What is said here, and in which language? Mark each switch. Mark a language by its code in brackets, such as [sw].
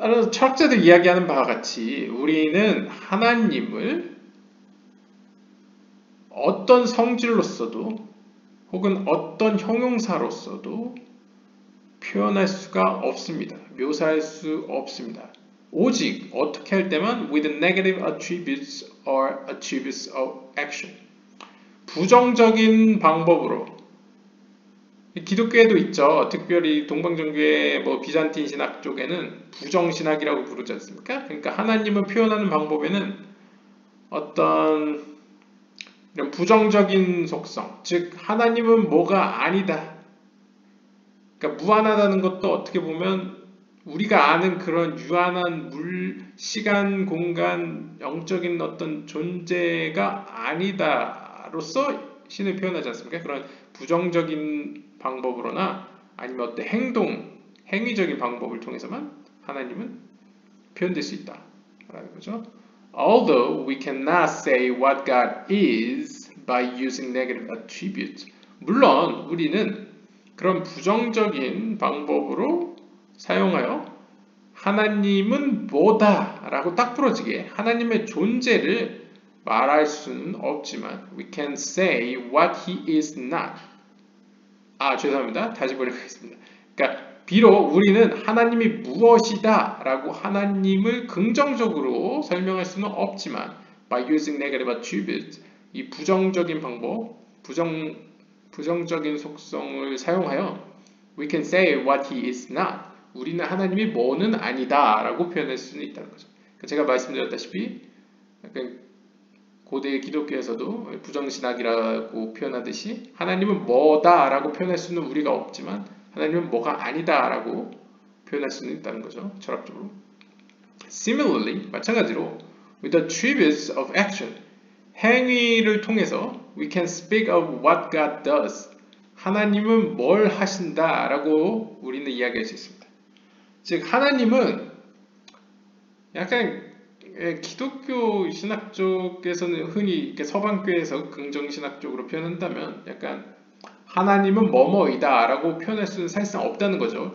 [ko] 철학자들이 이야기하는 바와 같이 우리는 하나님을 어떤 성질로서도 혹은 어떤 형용사로서도 표현할 수가 없습니다. 묘사할 수 없습니다. 오직 어떻게 할 때만 [en] with negative attributes or attributes of action. [ko] 부정적인 방법으로. 기독교에도 있죠. 특별히 동방정교의 뭐 비잔틴 신학 쪽에는 부정신학이라고 부르지 않습니까? 그러니까 하나님을 표현하는 방법에는 어떤 이런 부정적인 속성, 즉 하나님은 뭐가 아니다. 그러니까 무한하다는 것도 어떻게 보면 우리가 아는 그런 유한한 물, 시간, 공간, 영적인 어떤 존재가 아니다로서 신을 표현하지 않습니까? 그런 부정적인 방법으로나 아니면 어떤 행동, 행위적인 방법을 통해서만 하나님은 표현될 수 있다라는 거죠. [en] Although we cannot say what God is by using negative attributes. [ko] 물론 우리는 그런 부정적인 방법으로 사용하여 하나님은 뭐다 라고 딱 부러지게 하나님의 존재를 말할 수는 없지만 [en] we can say what he is not. [ko] 아 죄송합니다. 다시 보려겠습니다. 그러니까 비록 우리는 하나님이 무엇이다 라고 하나님을 긍정적으로 설명할 수는 없지만 [en] by using negative attributes [ko] 이 부정적인 방법 부정적인 속성을 사용하여 [en] we can say what he is not. [ko] 우리는 하나님이 뭐는 아니다 라고 표현할 수는 있다는 거죠. 제가 말씀드렸다시피 고대 기독교에서도 부정신학이라고 표현하듯이 하나님은 뭐다 라고 표현할 수는 우리가 없지만 하나님은 뭐가 아니다 라고 표현할 수는 있다는 거죠. 철학적으로. [en] Similarly, [ko] 마찬가지로 [en] with the attributes of action, [ko] 행위를 통해서 [en] we can speak of what God does. [ko] 하나님은 뭘 하신다 라고 우리는 이야기할 수 있습니다. 즉 하나님은 약간 기독교 신학 쪽에서는 흔히 이렇게 서방교에서 긍정신학 쪽으로 표현한다면 약간 하나님은 뭐뭐이다 라고 표현할 수는 사실상 없다는 거죠.